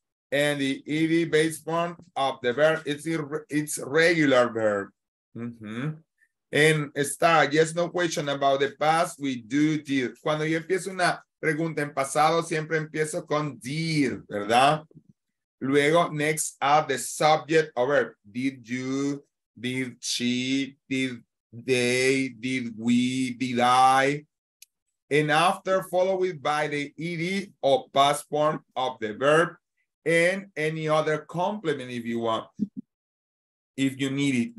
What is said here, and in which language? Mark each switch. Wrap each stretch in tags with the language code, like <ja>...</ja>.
<en>And the ED base form of the verb, it's regular verb. Mm-hmm. And start, yes, no question about the past, we do did.</en> <es>Cuando yo empiezo una pregunta en pasado, siempre empiezo con did, ¿verdad? Luego,</es> <en>next, add the subject or verb. Did you, did she, did they, did we, did I? And after, followed by the ed or past form of the verb and any other complement if you want, if you need it.</en>